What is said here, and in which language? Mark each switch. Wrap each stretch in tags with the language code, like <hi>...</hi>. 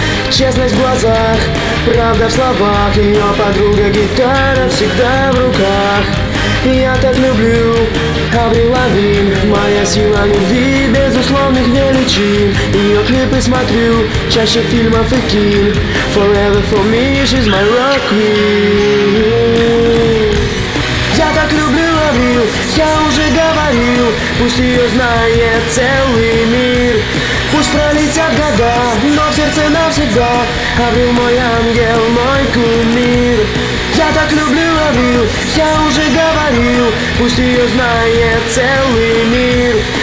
<ru>Честность в глазах, правда в словах, ее подруга гитара всегда в руках. Я так люблю Аврил Лавин, моя сила любви безусловных величин. Ее клипы смотрю чаще фильмов и кин.</ru> <en>Forever for me, she's my rock queen.</en> <ru>Я так люблю Аврил, я уже говорил, пусть ее знает целый мир. Пусть пролетят года, но в сердце навсегда Аврил мой ангел, мой кумир. Я так люблю Аврил, я уже говорил, пусть ее знает целый мир.</ru>